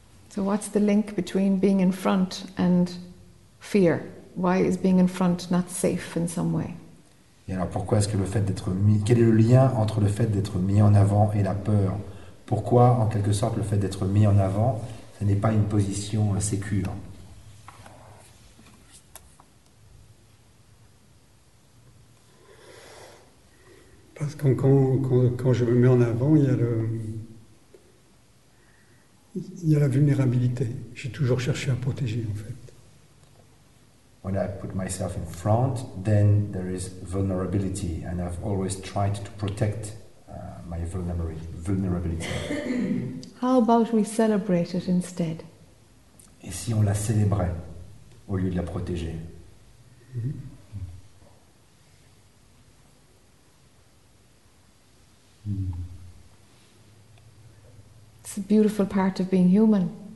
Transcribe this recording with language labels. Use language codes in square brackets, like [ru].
[en] So what's the link between being in front and fear? Why is being in front not safe in some way? [fr] Et alors pourquoi est-ce que le fait d'être mis, quel est le lien entre le fait d'être mis en avant et la peur? Pourquoi, en quelque sorte, le fait d'être mis en avant, ce n'est pas une position sécure? Parce que quand je me mets en avant, il y a la vulnérabilité. J'ai toujours cherché à protéger, en fait. [en] When I put myself in front, then there is vulnerability, and I've always tried to protect my vulnerability. How about we celebrate it instead? [fr] Et si on la célébrait au lieu de la protéger? [en] It's a beautiful part of being human.